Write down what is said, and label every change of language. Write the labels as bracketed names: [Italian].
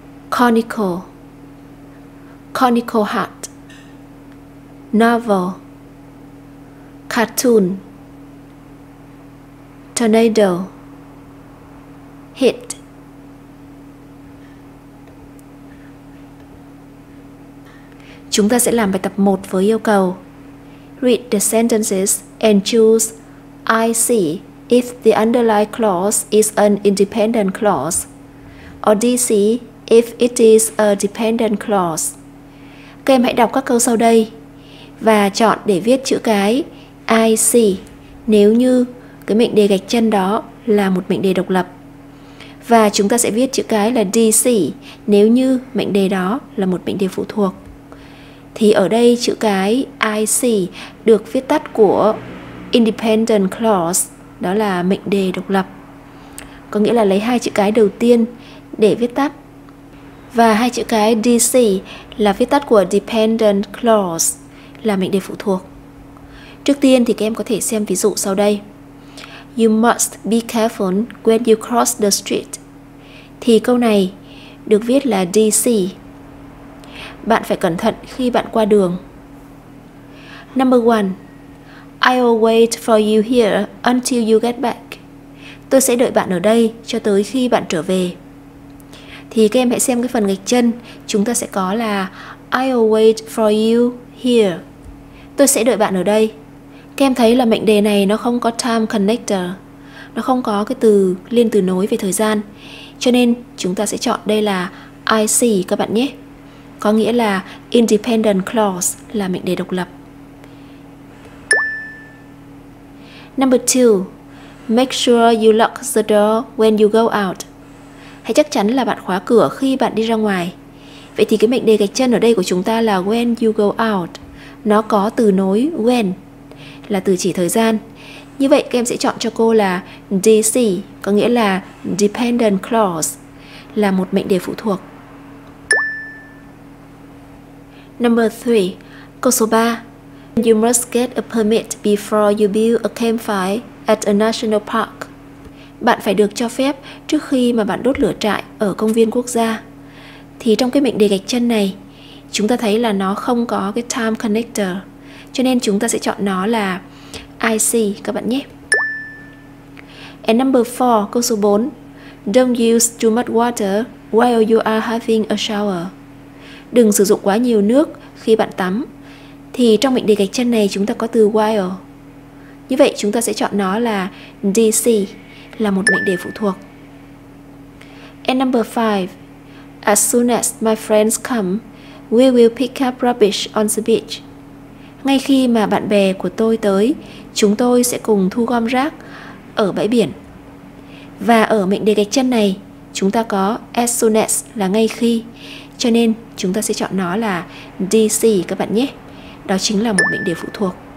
[English] conical, conical hat, novel, cartoon, tornado, hit. [Vietnamese] Chúng ta sẽ làm bài tập 1 với yêu cầu. [English] Read the sentences and choose I see if the underlying clause is an independent clause or DC if it is a dependent clause. [Vietnamese] Các em hãy đọc các câu sau đây và chọn để viết chữ cái I see, nếu như cái mệnh đề gạch chân đó là một mệnh đề độc lập. và chúng ta sẽ viết chữ cái là DC nếu như mệnh đề đó là một mệnh đề phụ thuộc. Thì ở đây chữ cái IC được viết tắt của Independent Clause, đó là mệnh đề độc lập. Có nghĩa là lấy hai chữ cái đầu tiên để viết tắt. Và hai chữ cái DC là viết tắt của Dependent Clause, là mệnh đề phụ thuộc. Trước tiên thì các em có thể xem ví dụ sau đây. [English] You must be careful when you cross the street. [Vietnamese] Thì câu này được viết là DC. Bạn phải cẩn thận khi bạn qua đường. [English] Number one, I'll wait for you here until you get back. [Vietnamese] Tôi sẽ đợi bạn ở đây cho tới khi bạn trở về. Thì các em hãy xem cái phần gạch chân, chúng ta sẽ có là [English] I'll wait for you here. [Vietnamese] Tôi sẽ đợi bạn ở đây. Các em thấy là mệnh đề này nó không có time connector, nó không có cái từ liên từ nối về thời gian. Cho nên chúng ta sẽ chọn đây là IC các bạn nhé. Có nghĩa là independent clause, là mệnh đề độc lập. [English] Number two, make sure you lock the door when you go out. [Vietnamese] Hãy chắc chắn là bạn khóa cửa khi bạn đi ra ngoài. Vậy thì cái mệnh đề gạch chân ở đây của chúng ta là [English] when you go out. [Vietnamese] Nó có từ nối when, là từ chỉ thời gian. Như vậy các em sẽ chọn cho cô là DC, có nghĩa là dependent clause, là một mệnh đề phụ thuộc. [English] Number three, [Vietnamese] câu số 3. [English] You must get a permit before you build a campfire at a national park. [Vietnamese] Bạn phải được cho phép trước khi mà bạn đốt lửa trại ở công viên quốc gia. Thì trong cái mệnh đề gạch chân này, chúng ta thấy là nó không có cái time connector, cho nên chúng ta sẽ chọn nó là IC các bạn nhé. [English] And number four, [Vietnamese] câu số 4. [English] Don't use too much water while you are having a shower. [Vietnamese] Đừng sử dụng quá nhiều nước khi bạn tắm. Thì trong mệnh đề gạch chân này chúng ta có từ while. Như vậy chúng ta sẽ chọn nó là DC, là một mệnh đề phụ thuộc. [English] And number five, as soon as my friends come, we will pick up rubbish on the beach. [Vietnamese] Ngay khi mà bạn bè của tôi tới, chúng tôi sẽ cùng thu gom rác ở bãi biển. Và ở mệnh đề gạch chân này, chúng ta có as soon as là ngay khi, cho nên chúng ta sẽ chọn nó là DC các bạn nhé. Đó chính là một mệnh đề phụ thuộc.